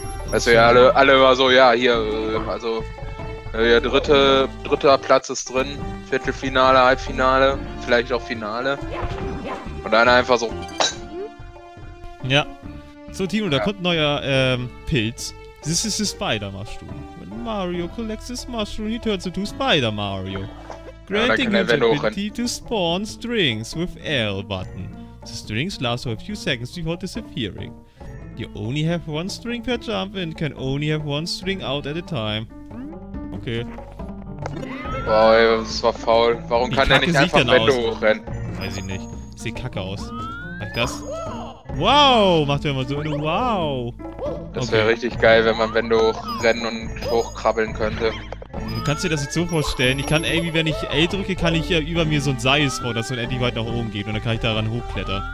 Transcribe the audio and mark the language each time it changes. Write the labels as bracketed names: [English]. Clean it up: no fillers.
[German] Dass wir alle immer so, ja, hier, also, ja, dritter Platz ist drin, Viertelfinale, Halbfinale, vielleicht auch Finale. Und dann einfach so. Ja. So, Timo, da kommt ein neuer, Pilz. [English] This is the Spider-Mushroom. When Mario collects his mushroom, he turns into Spider-Mario. Granting him the ability to spawn strings with L button. The strings last for a few seconds before disappearing. You only have one string per jump and can only have one string out at a time. Okay. [German] Boah, das war faul. Warum kann der nicht einfach Wände hochrennen? Weiß ich nicht. Sieht kacke aus. Mach das. Wow, macht er immer so eine Wow. Das wäre richtig geil, wenn man Wände hochrennen und hochkrabbeln könnte. Du kannst dir das jetzt so vorstellen, ich kann irgendwie, wenn ich L drücke, kann ich hier über mir so ein Seil spawnen, dass man endlich weit nach oben geht und dann kann ich daran hochklettern.